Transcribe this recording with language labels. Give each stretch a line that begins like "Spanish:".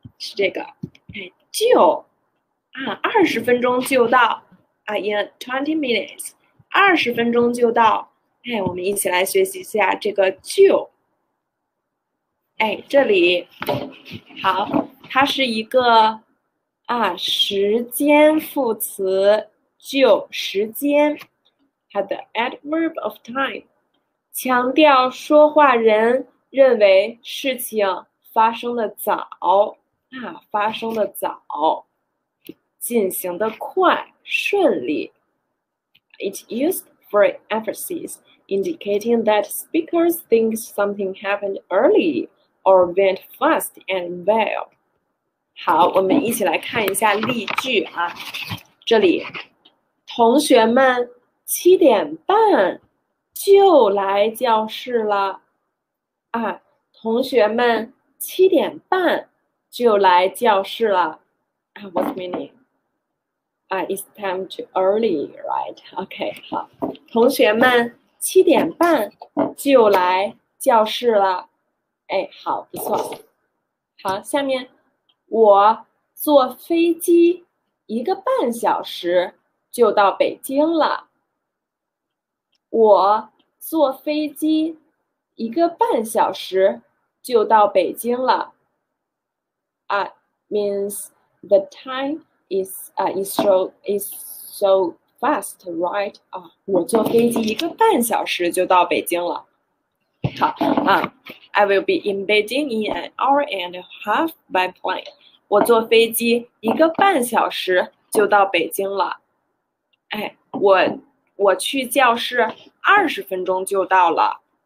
Chinese: 是这个，哎，就，啊，20分钟就到，啊，
English: in 20 minutes，
Chinese: 20分钟就到，哎，我们一起来学习一下这个就，哎，这里，好，它是一个，啊，时间副词，就时间，它的
English: adverb of time，
Chinese: 强调说话人认为事情。发生的早啊，发生的早，进行的快，顺利。
English: It's used for emphasis, indicating that speakers think something happened early or went fast and well.
Chinese: 好，我们一起来看一下例句啊。这里，同学们7点半就来教室了啊，同学们。 7点半就来教室了啊？
English: What's meaning？
Chinese: 啊，
English: It's time too early, right？OK，
Chinese: 好，同学们7点半就来教室了。哎，好，不错。好，下面我坐飞机1个半小时就到北京了。我坐飞机1个半小时就到北京了。
English: It means the time is so fast, right?
Chinese: 我坐飞机1个半小时就到北京了。好啊，
English: I will be in Beijing in an hour and a half by plane。
Chinese: 我坐飞机1个半小时就到北京了。哎，我去教室20分钟就到了。